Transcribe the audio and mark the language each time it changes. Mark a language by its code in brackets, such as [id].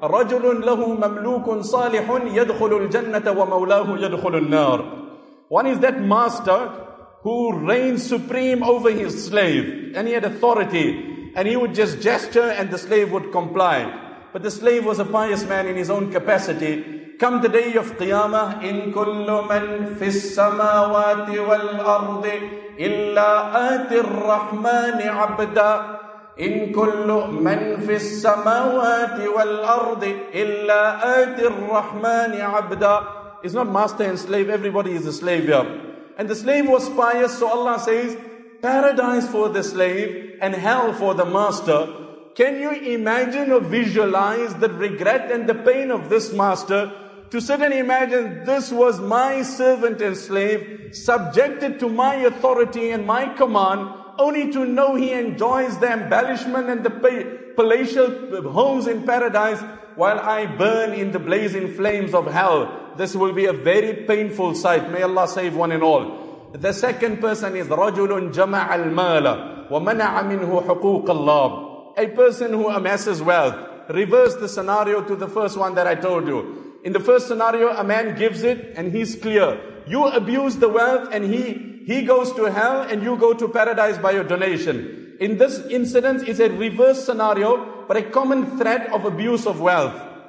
[ar] رَجُلٌ لَهُ مَمْلُوكٌ صَالِحٌ يَدْخُلُ الْجَنَّةَ وَمَوْلَاهُ يَدْخُلُ النَّارِ. [en] One is that master who reigns supreme over his slave. And he had authority. And he would just gesture and the slave would comply. But the slave was a pious man in his own capacity. Come the day of Qiyamah, [ar] إِن كُلُّ مَن فِي السَّمَاوَاتِ وَالْأَرْضِ إِلَّا آتِ الرَّحْمَانِ عَبْدًا. إِن كُلُّ مَن فِي السَّمَاوَاتِ وَالْأَرْضِ إِلَّا آتِ الرَّحْمَانِ عَبْدًا. [en] It's not master and slave, everybody is a slave here. And the slave was pious, so Allah says, paradise for the slave and hell for the master. Can you imagine or visualize the regret and the pain of this master to sit and imagine, this was my servant and slave, subjected to my authority and my command, only to know he enjoys the embellishment and the palatial homes in paradise while I burn in the blazing flames of hell. This will be a very painful sight. May Allah save one and all. The second person is [ar] رَجُلٌ جَمَعَ الْمَالَ وَمَنَعَ مِنْهُ حُقُوقَ اللَّهِ. [en] A person who amasses wealth. Reverse the scenario to the first one that I told you. In the first scenario, a man gives it and he's clear. You abuse the wealth and he goes to hell and you go to paradise by your donation. In this incident, it's a reverse scenario, but a common threat of abuse of wealth.